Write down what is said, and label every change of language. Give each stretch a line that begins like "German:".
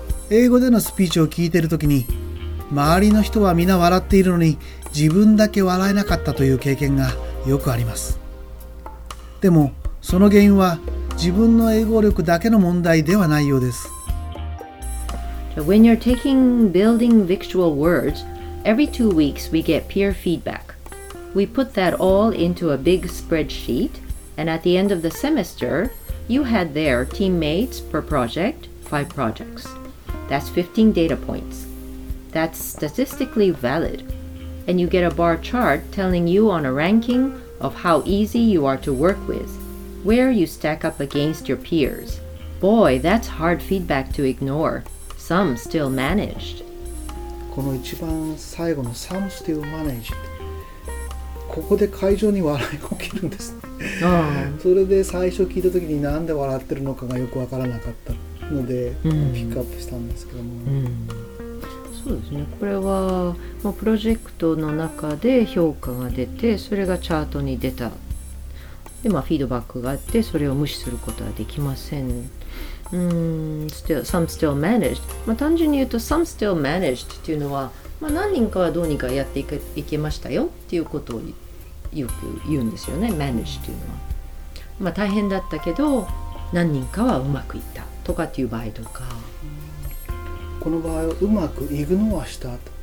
Japanese: 英語でのスピーチを聞いているときに、周りの人はみんな笑っているのに自分だけ笑えなかったという経験がよくあります。でもその原因は自分の英語力だけの問題ではないようです。
English: When you're taking building virtual words, every 2 weeks we get peer feedback. We put that all into a big spreadsheet, and at the end of the semester, you had their teammates per project, 5 projects. That's 15 data points. That's statistically valid. And you get a bar chart telling you on a ranking of how easy you are to work with. Where you stack up against your peers. Boy, that's hard feedback to ignore. Some still managed.
Japanese: この一番最後の
English: Some still managed.
Japanese: ここで会場に笑いが起きるんですね。それで最初聞いた時に何で笑ってるのかがよくわからなかったので、ピックアップしたんですけども。そうですね。これは、まあ、プロジェクトの中で評価が出て、それがチャートに出た。でまあ、フィードバックがあって、それを無視することはできません。
English: Some still managed、
Japanese: まあ。単純に言うと、
English: Some still managed
Japanese: っていうのは、まあ、何人かはどうにかやっていけましたよっていうことをよく言うんですよね、managed っていうのは。まあ、大変だったけど、何人かはうまくいったとかっていう場合とか。この場合はうまくイグノアしたと。